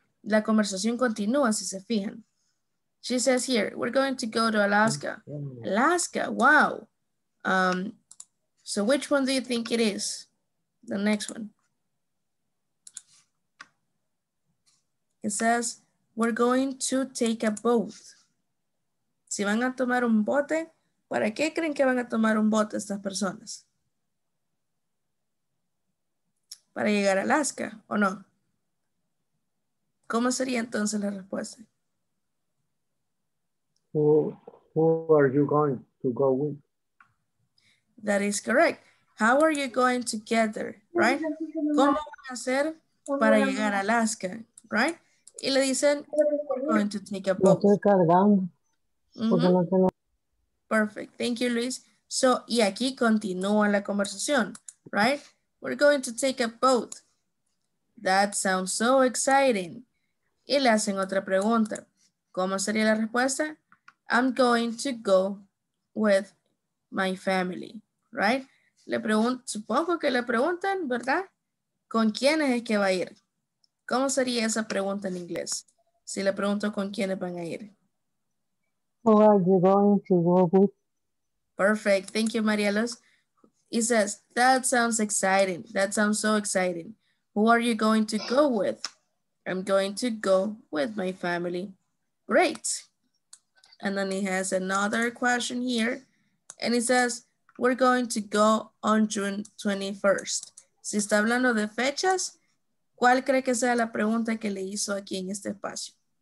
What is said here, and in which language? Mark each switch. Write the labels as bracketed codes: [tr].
[es] La conversación continúa, si se fijan. [en] She says here, we're going to go to Alaska. Alaska, wow. So which one do you think it is? The next one. It says, we're going to take a boat. [es] Si van a tomar un bote, ¿para qué creen que van a tomar un bote estas personas? Para llegar a Alaska, ¿o no? ¿Cómo sería entonces la respuesta? [en] Who are you going to go with? That is correct. How are you going to get there, right? [es] ¿Cómo van a hacer para llegar a Alaska, right? Y le dicen, [en] we're going to take a boat. [es] Estoy cargando. Mm-hmm. [en] Perfect. Thank you, [es] Luis. So, y aquí continúa la conversación, right? [en] We're going to take a boat. That sounds so exciting. [es] Y le hacen otra pregunta. ¿Cómo sería la respuesta? [en] I'm going to go with my family, right? [es] Le supongo que le preguntan, ¿verdad? ¿Con quiénes es que va a ir? ¿Cómo sería esa pregunta en inglés? Si le pregunto con quiénes van a ir. [en] Who are you going to go with? Perfect. Thank you, Marielos. He says, that sounds exciting. That sounds so exciting. Who are you going to go with? I'm going to go with my family. Great. And then he has another question here. And he says, we're going to go on June 21st. [es] Si está hablando de fechas, ¿cuál cree que sea la pregunta que le hizo aquí en este espacio?